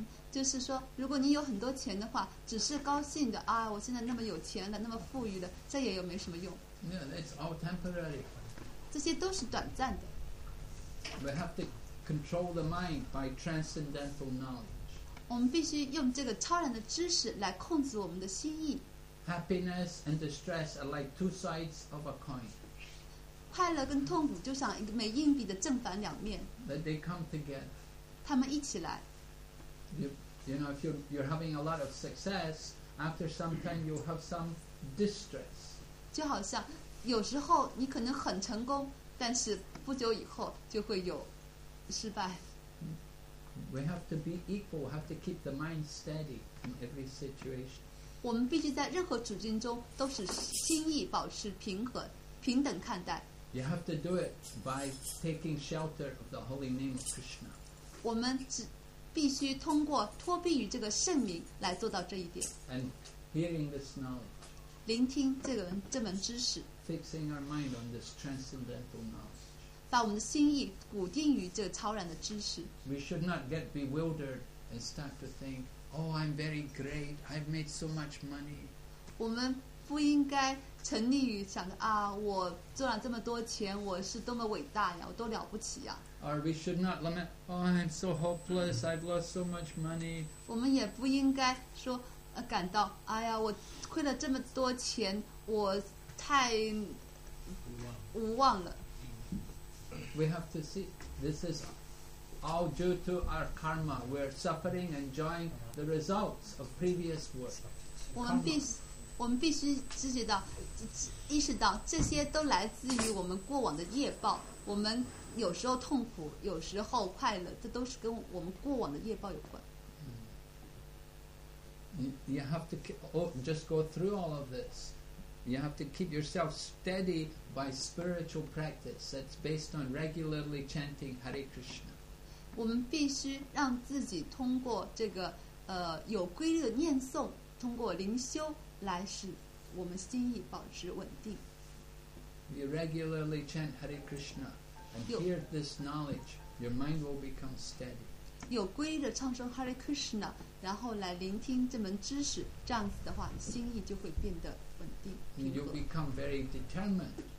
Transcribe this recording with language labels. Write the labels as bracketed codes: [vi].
[zh] 就是说，如果你有很多钱的话，只是高兴的啊，我现在那么有钱了，那么富裕了，这也有没什么用。 [en] No, it's all temporary. [zh] 这些都是短暂的。 [en] We have to control the mind by transcendental knowledge. [zh] 我们必须用这个超然的知识来控制我们的心意。 [en] Happiness and distress are like two sides of a coin. [zh] 快乐跟痛苦就像一个每硬币的正反两面。 [en] That they come together. [zh] 他们一起来。 [en] You know, if you're having a lot of success, after some time you'll have some distress. [zh] 就好像有时候你可能很成功，但是不久以后就会有失败。 [en] We have to be equal. Have to keep the mind steady in every situation. [zh] 我们必须在任何处境中都是心意保持平和、平等看待。 [en] You have to do it by taking shelter of the holy name of Krishna. [zh] 我们只必须通过托庇于这个圣名来做到这一点。 [en] And hearing this knowledge. [zh] 聆听这门知识。 [en] Fixing our mind on this transcendental knowledge. [zh] 把我们的心意固定于这个超然的知识。 [en] We should not get bewildered and start to think, "Oh, I'm very great. I've made so much money." [zh] 我们不应该沉溺于想着啊，我赚了这么多钱，我是多么伟大呀，我多了不起呀。 [en] Or we should not lament, "Oh, I'm so hopeless. I've lost so much money." [zh] 我们也不应该说感到哎呀，我亏了这么多钱，我太无望了。 [en] We have to see this is all due to our karma. We're suffering and enjoying the results of previous work. [zh] 我们必须知觉到，意识到这些都来自于我们过往的业报。我们有时候痛苦，有时候快乐，这都是跟我们过往的业报有关。 [en] You have to just go through all of this. You have to keep yourself steady by spiritual practice that's based on regularly chanting Hare Krishna. [zh] 我们必须让自己通过这个有规律的念诵，通过灵修来使我们心意保持稳定。 [en] You regularly chant Hare Krishna and hear this knowledge, your mind will become steady. [zh] 有规律的唱诵 Hare Krishna， 然后来聆听这门知识，这样子的话，心意就会变得。 [en] You'll become very determined,